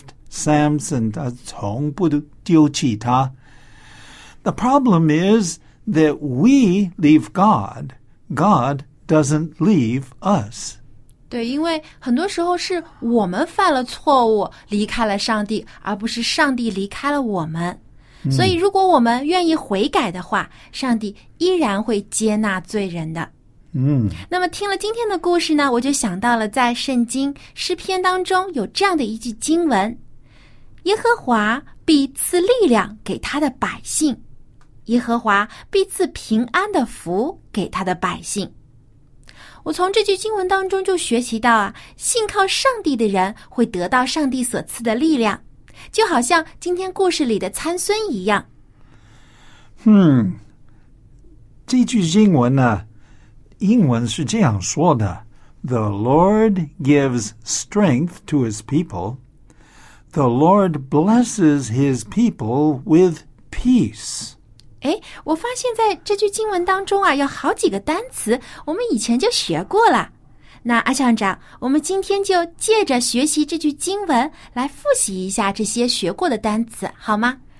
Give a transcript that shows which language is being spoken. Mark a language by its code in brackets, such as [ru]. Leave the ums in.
[zh] Samson does 从不丢弃他. [en] The problem is that we leave God. God doesn't leave us. [zh] 对，因为很多时候是我们犯了错误，离开了上帝，而不是上帝离开了我们。所以，如果我们愿意悔改的话，上帝依然会接纳罪人的。嗯，那么听了今天的故事呢，我就想到了在圣经诗篇当中有这样的一句经文，耶和华必赐力量给他的百姓，耶和华必赐平安的福给他的百姓。我从这句经文当中就学习到啊，信靠上帝的人会得到上帝所赐的力量，就好像今天故事里的参孙一样。嗯，这句经文呢，英文是这样说的： [en] “The Lord gives strength to his people。 ” the Lord blesses his people with peace. [zh] 哎，我发现在这句经文当中啊，有好几个单词，我们以前就学过了。那阿校长，我们今天就借着学习这句经文来复习一下这些学过的单词，好吗